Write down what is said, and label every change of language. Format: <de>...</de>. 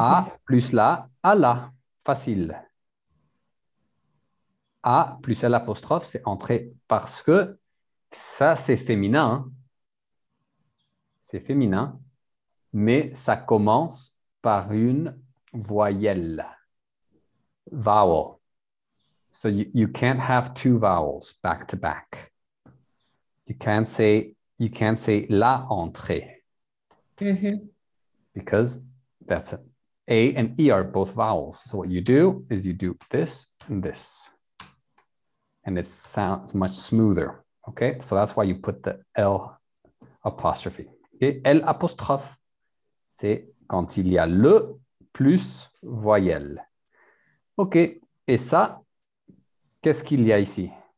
<fr>A plus la, à la. Facile. A plus L apostrophe, c'est entrée parce que ça, c'est féminin. C'est féminin, mais ça commence par une voyelle.</fr> <en>Vowel. So you can't have two vowels back to back. You can't say la entrée. Mm-hmm. Because that's it. A and E are both vowels. So what you do is you do this and this. And it sounds much smoother. Okay? So that's why you put the L apostrophe.</en> <fr>Et L apostrophe, c'est quand il y a le plus voyelle. Okay. Et ça, qu'est-ce qu'il y a ici?</fr>